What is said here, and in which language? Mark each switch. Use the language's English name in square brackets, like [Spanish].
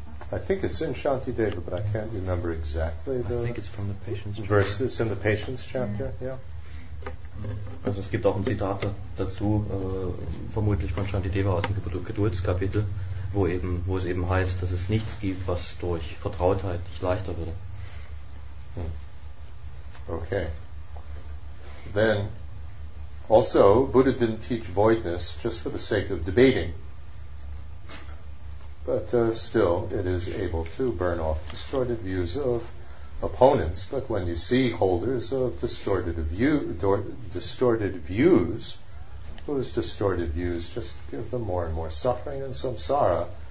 [English] I think it's in Shantideva, but I can't remember exactly. I think it's from the Patience chapter. Verse that's in the Patience chapter, yeah. [German] Also es gibt auch ein Zitat dazu, vermutlich von Shantideva aus dem Geduldskapitel, wo es eben heißt, dass es nichts gibt, was durch Vertrautheit nicht leichter würde. Okay. [English] Then, also, Buddha didn't teach voidness just for the sake of debating. But still, it is able to burn off distorted views of opponents. But when you see holders of distorted views, those distorted views just give them more and more suffering and samsara.